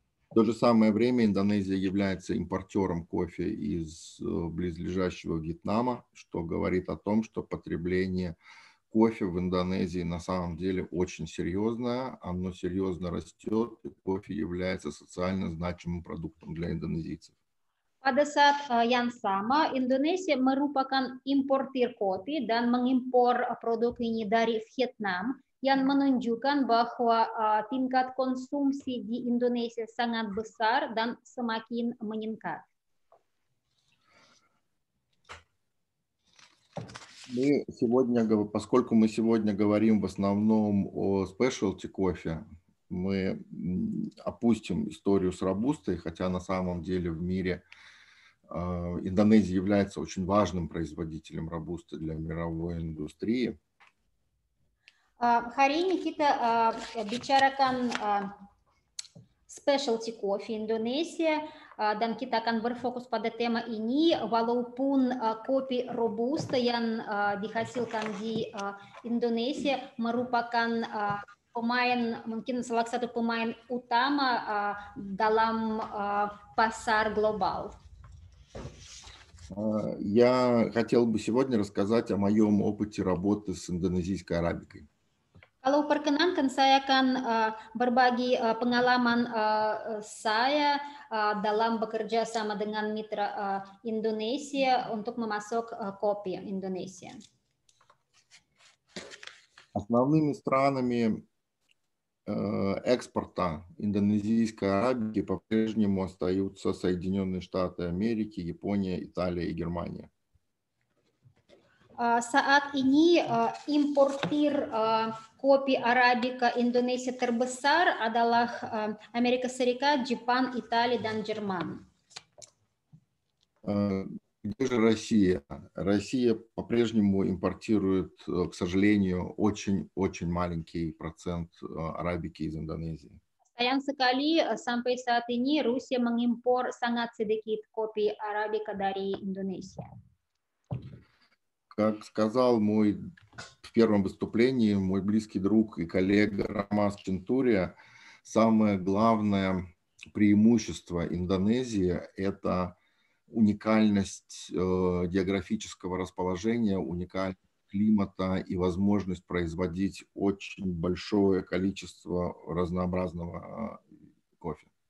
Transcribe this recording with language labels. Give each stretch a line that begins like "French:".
Russian: В то же самое время Индонезия является импортером кофе из близлежащего Вьетнама, что говорит о том, что потребление кофе в Индонезии на самом деле очень серьезное, оно серьезно растет, и кофе является социально значимым продуктом для индонезийцев.
Indonesian: Pada saat yang sama, Indonesia merupakan importer kopi dan mengimpor produk ini dari Vietnam, yang menunjukkan bahwa tingkat konsumsi di Indonesia sangat besar dan semakin meningkat.
Russian: Мы сегодня, поскольку мы сегодня говорим в основном о specialty кофе, мы опустим историю с робустой, хотя на самом деле в мире Индонезия является очень важным производителем робусты для мировой индустрии.
Indonesian: Hari ini kita bicarakan specialty кофе Индонезия. Dan kita akan berfokus pada tema ini, walaupun kopi robusta yang dihasilkan di Indonesia merupakan pemain, mungkin salah satu pemain utama dalam pasar global.
Russian: Я хотел бы сегодня рассказать о моем опыте работы с индонезийской арабикой.
Indonesian: Kalau perkenankan, saya akan berbagi pengalaman saya dalam bekerja sama dengan mitra Indonesia untuk memasok kopi Indonesia.
Russian: Основными странами экспорта индонезийской арабики по-прежнему остаются Соединенные Штаты Америки, Япония, Италия и Германия.
Indonesian: Saat ini importir kopi Arabica Indonesia terbesar adalah Amerika Serikat, Jepang, Italia, dan Jerman.
Russian: Где же Россия? Россия по-прежнему импортирует, к сожалению, очень-очень маленький процент арабики из Индонезии.
Indonesian: Sayang sekali, sampai saat ini Rusia mengimpor sangat sedikit kopi Arabica dari Indonesia.
Russian: Как сказал мой в первом выступлении мой близкий друг и коллега Рамас Чентурия, самое главное преимущество Индонезии – это уникальность географического расположения, уникальность климата и возможность производить очень большое количество разнообразного кофе.